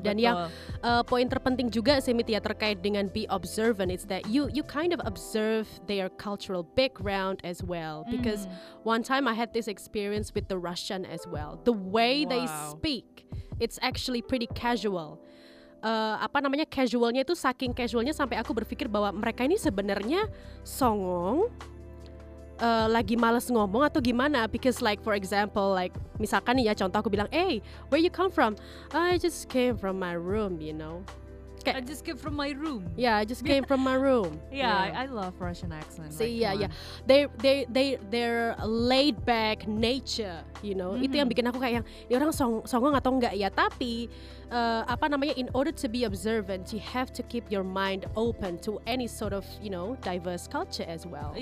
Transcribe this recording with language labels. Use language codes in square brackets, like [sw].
[id] Dan yang poin terpenting juga sih, [en] Mitya, [id] terkait dengan [en] be observant, it's that you kind of observe their cultural background as well. Because one time I had this experience with the Russian as well. The way they speak, it's actually pretty casual. [id] Apa namanya, casualnya itu saking casualnya sampai aku berpikir bahwa mereka ini sebenarnya songong, lagi malas ngomong atau gimana. [en] Because like for example, like [id] misalkan nih ya, contoh aku bilang, [en] hey, where you come from? I just came from my room, you know. I just came from my room. Yeah, I just came from my room. Yeah, yeah. I love Russian accent. See, like, yeah. Their laid back nature, you know. [id] Itu yang bikin aku kayak yang ini orang songong atau enggak ya. Tapi apa namanya, [en] in order to be observant, you have to keep your mind open to any sort of, you know, diverse culture as well.